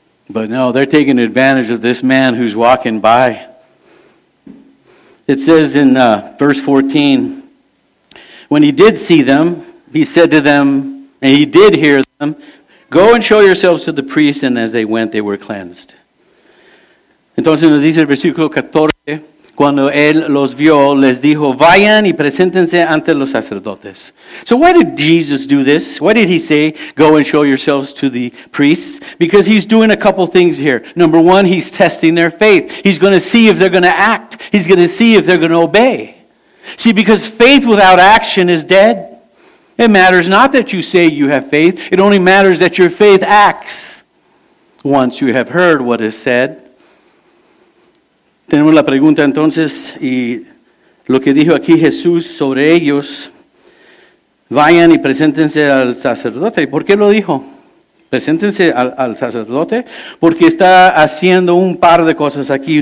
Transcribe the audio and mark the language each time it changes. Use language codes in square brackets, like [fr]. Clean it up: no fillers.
[en] But no, they're taking advantage of this man who's walking by. It says in verse 14, when he did see them, he said to them, and he did hear them, go and show yourselves to the priests, and as they went, they were cleansed. [es] Entonces nos dice el versículo 14, cuando él los vio, les dijo, vayan y preséntense ante los sacerdotes. [en] So why did Jesus do this? Why did he say, go and show yourselves to the priests? Because he's doing a couple things here. Number one, he's testing their faith. He's going to see if they're going to act. He's going to see if they're going to obey. See, because faith without action is dead. It matters not that you say you have faith. It only matters that your faith acts once you have heard what is said. [es] Tenemos la pregunta entonces, y lo que dijo aquí Jesús sobre ellos, vayan y preséntense al sacerdote. ¿Por qué lo dijo? Preséntense al sacerdote, porque está haciendo un par de cosas aquí.